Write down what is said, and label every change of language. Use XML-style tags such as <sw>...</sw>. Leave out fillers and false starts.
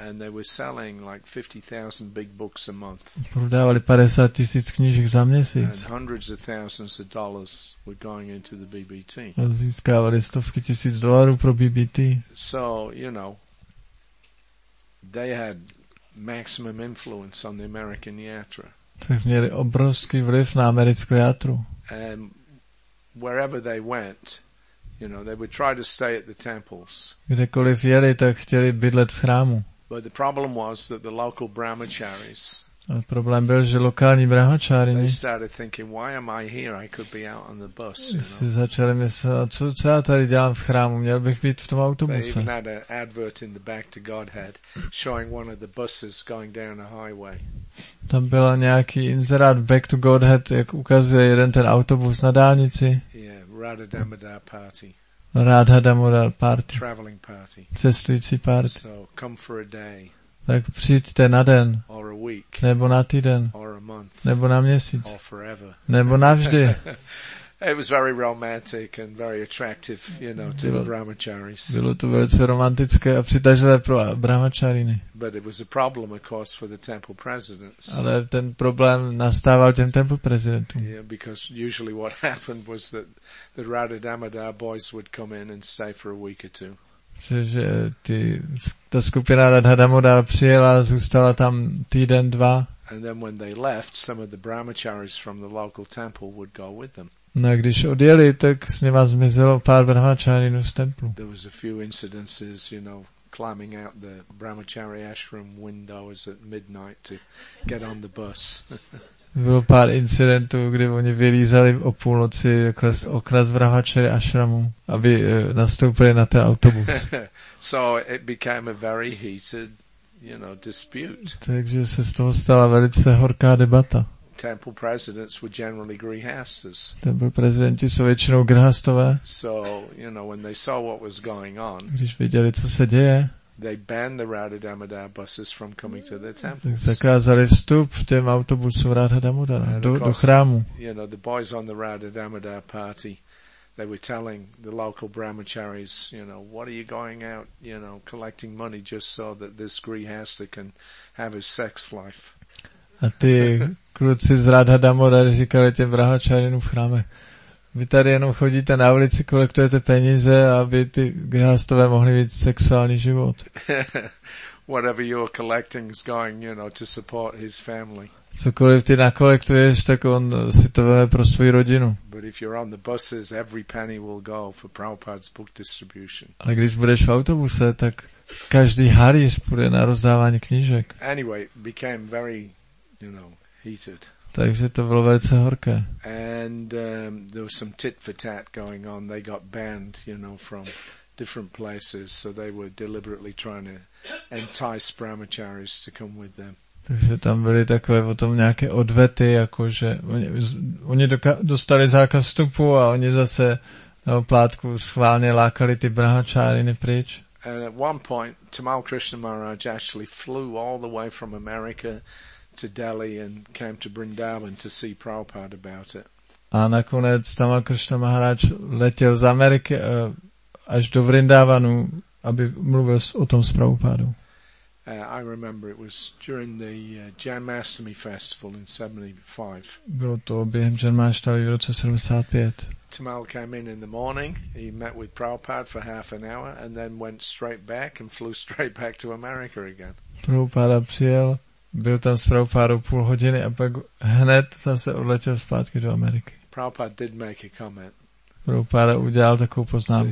<en>And they were selling like 50,000 big books a month.</en> <cs>Prodávali 50 tisíc knížek za měsíc.</cs> <en>And hundreds of thousands of dollars were going into the BBT.</en> <cs>A získávali stovky tisíc dolarů pro BBT.</cs> <en>So, you know, they had maximum influence on the American yatra.</en> <cs>Tak měli obrovský vliv na americkou játru.</cs> <en>And wherever they went, you know, they would try to stay at the temples.</en> <cs>Kdekoliv jeli, tak chtěli bydlet v chrámu.</cs> <en>But the problem was that the local brahmacharis.</en> <cs>Ale problém byl, že lokální brahmacháři.</cs> <en>They started thinking, why am I here? I could be out on the bus.</en> <cs>Si začali myslet, co já tady dělám v chrámu? Měl bych být v tom autobuse.</cs> <en>They even had an advert in the back to Godhead showing one of the buses going down a highway.</en> <cs>Tam byl nějaký inzerát back to Godhead, jak ukazuje jeden ten autobus na dálnici.</cs> <en>Yeah. Radha Damodar party.</en> <cs>Radha Damodar party.</cs> <en>Traveling party.</en> <cs>Cestující party.</cs> <en>So come for a day.</en> <cs>Tak přijďte na den.</cs> <en>Or a week.</en> <cs>Nebo na týden.</cs> <en>Or a month.</en> <cs>Nebo na měsíc.</cs> <en>Or forever.</en> <cs>Nebo navždy.</cs> <en>It was very romantic and very attractive, you know, to the brahmacharis.</en> <cs>Bylo to velice romantické a přitažlivé pro brahmachariny.</cs> <en>But it was a problem, of course, for the temple presidents.</en> <cs>Ale ten problém nastával těm temple prezidentům.</cs> <en>Yeah, because usually what happened was that the Radha Damodar boys would come in and stay for a week or two.</en> <cs>Že ta skupina Radha Damodar přijela a zůstala tam týden, dva.</cs> <en>And then when they left, some of the brahmacharis from the local temple would go with them.</en> <cs>No a když odjeli, tak s něma zmizelo pár brahmacharinů z templu.</cs> <en>There was a few incidences, you know, climbing out the brahmachari ashram windows at midnight to get on the bus.</en> <cs>Bylo pár incidentů, kdy oni vylízali o půlnoci z okna z brahmachari ashramu, aby nastoupili na ten autobus.</cs> <en>So it became a very heated, you know, dispute.</en> <cs>Takže se z toho stala velice horká debata.</cs> <en>Temple presidents were generally grihasthas.</en> <cs>Temple prezidenti jsou většinou grihastové.</cs> <en>So, you know, when they saw what was going on.</en> <cs>Když viděli, co se děje.</cs> <en>they banned the Radha Damodar buses from coming to their temples.</en> <cs>Zakázali vstup těm autobusům Radha Damodara do chrámu.</cs> <en>You know, the boys on the Radha Damodar party, they were telling the local brahmacharis, you know, what are you going out, you know, collecting money just so that this grihastha can have his sex life.</en> <cs>A ty kruci z Radha Damodara říkali těm brahmacharinům v chráme, vy tady jenom chodíte na ulici, kolektujete peníze, aby ty grihastové mohli mít sexuální život.</cs> <en>Whatever you're collecting is going, you know, to support his family.</en> <cs>Cokoliv ty nakolektuješ, tak on si to vede pro svou rodinu.</cs> <en>But if you're on the buses, every penny will go for Prabhupada's book distribution.</en> <cs>Ale když budeš v autobuse, tak každý haríř půjde na rozdávání knížek.</cs> <en>Anyway, became very, you know, heated.</en> <cs>Takže to bylo velice horké.</cs> <en>And there was some tit for tat going on. They got banned, you know, from different places, so they were deliberately trying to entice brahmacharis to come with them.</en> <cs>Takže tam byly takové potom nějaké odvety, jakože oni dostali zákaz vstupu a oni zase na oplátku schválně lákali ty brahmacháriny pryč.</cs> <en>And at one point Tamal Krishna Maharaj actually flew all the way from America to Delhi and came to Vrindavan to see Prabhupada about it.</en> <cs>A nakonec Tamal Krishna Maharaj letěl z Ameriky až do Vrindavanu, aby mluvil o tom s Prabhupádou.</cs> <en>I remember it was during the Janmashtami festival in 75.</en> <cs>Bylo to během Janmashtami v roce 75.</cs> <en>Tamal came in the morning. He met with Prabhupada for half an hour and then went straight back and flew straight back to America again.</en> <cs>Prabhupada přijel, byl tam s Prabhupádou půl hodiny a pak hned zase odletěl zpátky do Ameriky.</cs> <en>Prabhupada did make a comment.</en> <cs>Prabhupada udělal takovou poznámku.</cs>